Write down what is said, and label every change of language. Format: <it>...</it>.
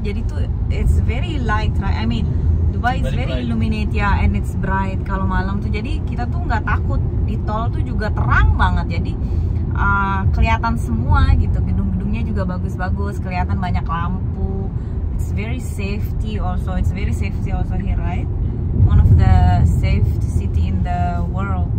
<id>Jadi tuh</id> <en>it's very light, right? I mean, Dubai is very illuminated, yeah, and it's bright</en> <id>kalau malam tuh. Jadi kita tuh enggak takut. Di tol tuh juga terang banget. Jadi kelihatan semua gitu. Gedung-gedungnya juga bagus-bagus, kelihatan banyak lampu.</id> <en>It's very safety also. It's very safety also here, right? One of the safe city in the world.</en>